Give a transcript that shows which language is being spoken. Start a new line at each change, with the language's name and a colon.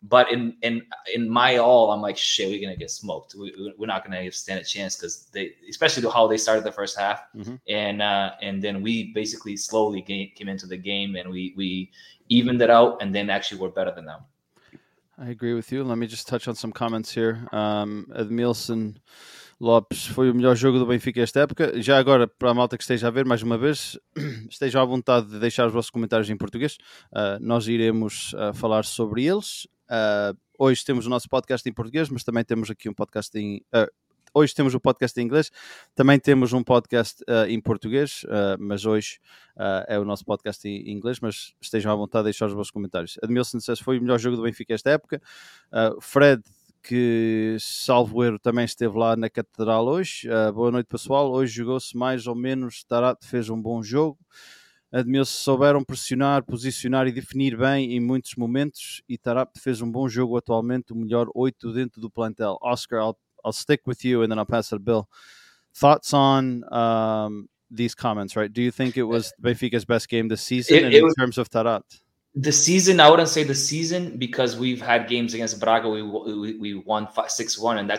English: But in my all, I'm like, shit, we're going to get smoked. We're not going to stand a chance because they, especially how they started the first half. Mm-hmm. And then we basically slowly came into the game and we evened it out and then actually were better than them. I agree with you. Let me just touch on some comments here.
Portuguese: Edmilson Lopes, foi o melhor jogo do Benfica esta época. Já agora, para a malta que esteja a ver, mais uma vez, estejam à vontade de deixar os vossos comentários em português. Nós iremos falar sobre eles. Hoje temos o nosso podcast em português, mas também temos aqui um podcast em... Hoje temos o podcast em inglês, também temos um podcast em português, mas hoje é o nosso podcast em inglês, mas estejam à vontade de deixar os vossos comentários. Admilson disse, foi o melhor jogo do Benfica esta época. Fred, que salvo erro, também esteve lá na catedral hoje. Boa noite, pessoal. Hoje jogou-se mais ou menos. Tarap fez um bom jogo. Admilson, souberam pressionar, posicionar e definir bem em muitos momentos. E Tarap fez um bom jogo atualmente, o melhor 8 dentro do plantel.
English: Oscar, I'll stick with you and then I'll pass it to Bill. Thoughts on these comments, right? Do you think it was Benfica's best game this season in terms of Tarap? The season, I wouldn't say the season because we've had games against Braga. We won 6-1, and that.